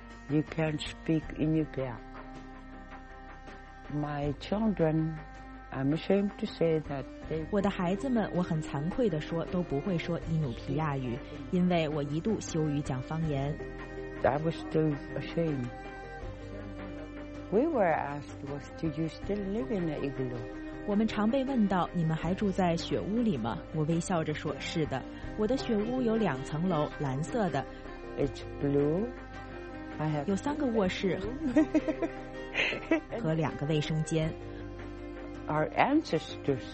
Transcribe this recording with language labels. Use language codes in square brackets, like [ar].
[en] You can't speak Inupiaq. My childrenI'm ashamed to say that. [zh] 我的孩子们，我很惭愧地说，都不会说伊努皮亚语，因为我一度羞于讲方言。 [en] I was still ashamed. We were asked, "Was do you still live in the igloo?" [zh] 我们常被问到，你们还住在雪屋里吗？我微笑着说，是的，我的雪屋有两层楼，蓝色的。 [en] It's blue. I have [zh] 有三个卧室和两个卫生间。 [en] Our ancestors,